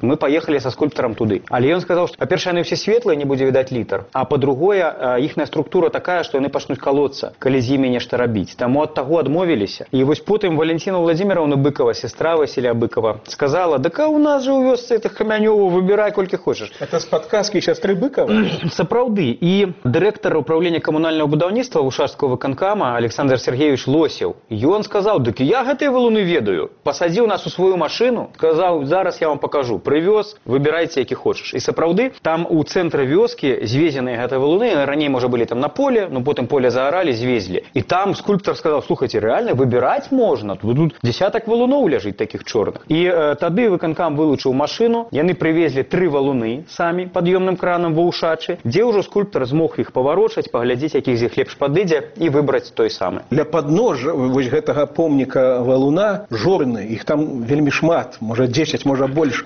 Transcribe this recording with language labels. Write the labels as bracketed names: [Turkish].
[Belarusian] Мы паехалі са скульптарам туды. Але ён сказаў, што па-першае, яны ўсе светлыя, не будзе відаць літар. А па-другое, іхная структура такая, што яны пачнуць калоцца, калі з імі нешта рабіць. Таму ад таго адмовіліся. І вось потым Валентіна Уладзіміраўна Быкава, сестра Василия Быкова, сказала, [Russian] да ка у нас же у вёсцы этих [Belarusian] Камянёва, выбирай, колькі хочаш. [Russian] Это с подказки сестры Быкова? [Belarusian] Сапраўды. [Russian] И директор управления коммунального будаўніцтва Ушарского выканкама Александр Сергеевич Лосев, и он сказал, да я [Belarusian] гэтые валуны ведаю. [Russian] Посадил нас у свою машину, сказал, зараз я вам покажу. Привёз, выбирайте, [Belarusian] які хочаш. И сапраўды, [Russian] там у центра вёски звезенные [Belarusian] гэтые валуны, раней, [Russian] может, были там на поле, но потом поле заорали, звезли. И там скульптор сказал, слухайте, реально выбирать можно? Тут десяток валунов лежит, таких чорных. [Belarusian] І тады выканкам вылучыў машыну, яны прывезлі тры валуны самі пад'ёмным кранам ва Ушачы, дзе ўжо скульптар змог іх паварочаць, паглядзіць, якіх з іх лепш падыдзе і выбраць той самы. Для падножа вось гэтага помніка валуна жорны, іх там вельмі шмат, можа 10, можа больш.